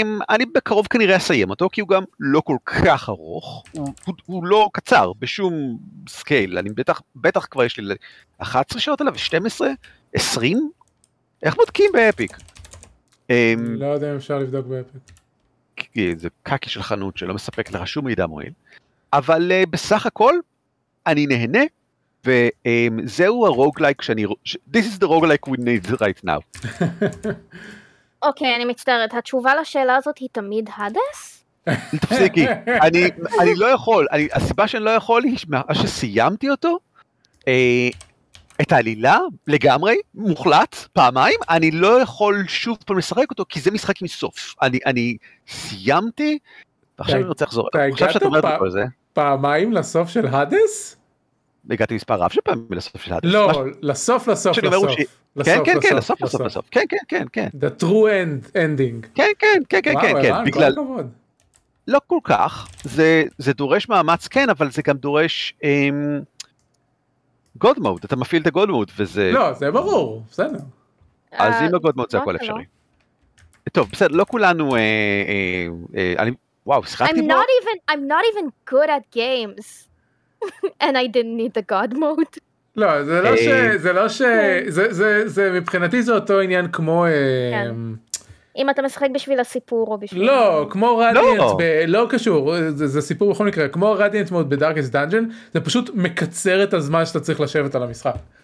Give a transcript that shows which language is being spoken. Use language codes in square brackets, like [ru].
[he] אני בקרוב כנראה אסיים אותו, כי הוא גם לא כל כך ארוך, הוא לא קצר בשום סקייל, אני בטח כבר יש לי 11 שעות עליו, 12, 20? איך בודקים באפיק? לא יודע אם אפשר לבדוק באפיק. זה קאקי של חנות שלא מספק לך שום מידע מועיל. אבל בסך הכל, אני נהנה, וזהו הרוגלייק שאני... [en] This is the roguelike we need right now. [he] אוקיי, אני מצטערת. התשובה לשאלה הזאת היא תמיד הדס? תפסיקי. אני לא יכול. הסיבה שאני לא יכול היא מה שסיימתי אותו, את העלילה לגמרי, מוחלט, פעמיים, אני לא יכול שוב פעם לשחק אותו, כי זה משחק עם סוף. אני סיימתי, ועכשיו אני רוצה לחזור. אני חושב שאתה אומרת כל זה. פעמיים לסוף של הדס? הגעתי מספר רב שפעמים לסוף של הדס. לא, לסוף. כן, לסוף. כן. [en] The true ending. [he] כן. וואו, הבן, כל הכבוד. לא כל כך. זה דורש מאמץ, כן, אבל זה גם דורש God mode. אתה מפעיל את ה-God mode, וזה... לא, זה ברור. בסדר. אז אם ה-God mode זה הכל אפשרי. טוב, בסדר, לא כולנו... אני... Wow, [en] I'm not even good at games and I didn't need the god mode. [he] לא, זה לא ש זה לא ש זה זה מבחינתי זה אותו עניין כמו אם אתה משחק בשביל הסיפור או בשביל לא, כמו רדיאנט, לא קשור, זה סיפור בכל מקרה, כמו רדיאנט מוד בדארקס דנג'ן, זה פשוט מקצר את הזמן שאתה צריך לשבת על המשחק.